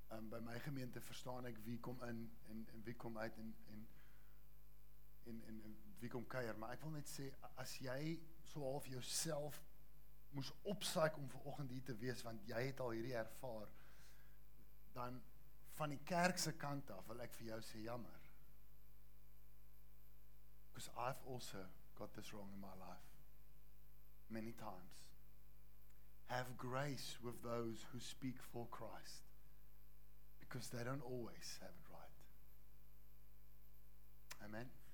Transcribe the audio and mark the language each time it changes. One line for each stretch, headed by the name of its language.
Afrikaans: By my gemeente verstaan ek wie kom in en wie kom uit en wie kom keier. Maar ek wil net sê, as jy so half jouself moes opsaak om vanoggend hier te wees, want jy het al hierdie ervaar, dan van die kerkse kant af wil ek vir jou sê, jammer.
English: Because I've also got this wrong in my life. Many times. Have grace with those who speak for Christ, because they don't always have it right. Amen.